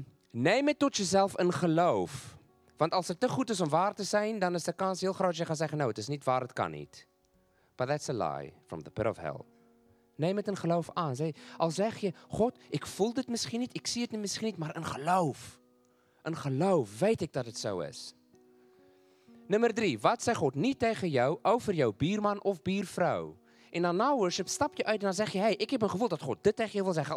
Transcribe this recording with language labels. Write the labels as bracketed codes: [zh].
[nl] Neem het tot jezelf in geloof. Want als het te goed is om waar te zijn, dan is de kans heel groot dat je gaat zeggen, nou, het is niet waar, het kan niet. [en] But that's a lie from the pit of hell. [nl] Neem het in geloof aan. Al zeg je, God, ik voel dit misschien niet, ik zie het misschien niet, maar in geloof. In geloof weet ik dat het zo is. Nummer 3, wat zegt God niet tegen jou over jouw bierman of biervrouw? En dan na worship stap je uit en dan zeg je, hey, ik heb een gevoel dat God dit tegen je wil zeggen.